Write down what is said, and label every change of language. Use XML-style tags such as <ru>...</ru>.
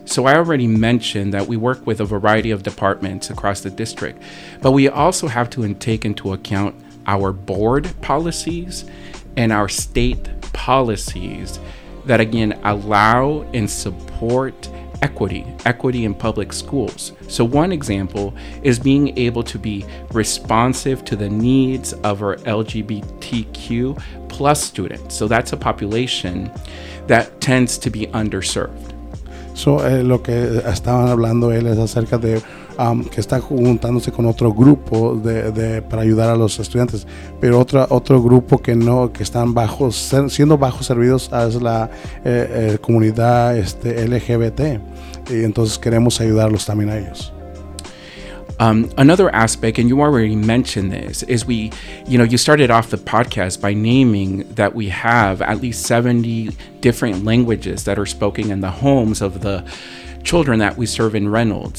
<en>So I already mentioned that we work with a variety of departments across the district, but we also have to take into account our board policies and our state policies that again allow and support equity in public schools. So one example is being able to be responsive to the needs of our LGBTQ+ students. So that's a population that tends to be underserved.</en> <es>So, lo que estaban hablando él es acerca de que está juntándose con otro grupo de para ayudar a los estudiantes, pero otro grupo que no, que están siendo bajo servidos es la comunidad LGBT, y entonces queremos ayudarlos también a ellos.</es> <en>Another aspect, and you already mentioned this, is we, you know, you started off the podcast by naming that we have at least 70 different languages that are spoken in the homes of the children that we serve in Reynolds.</en>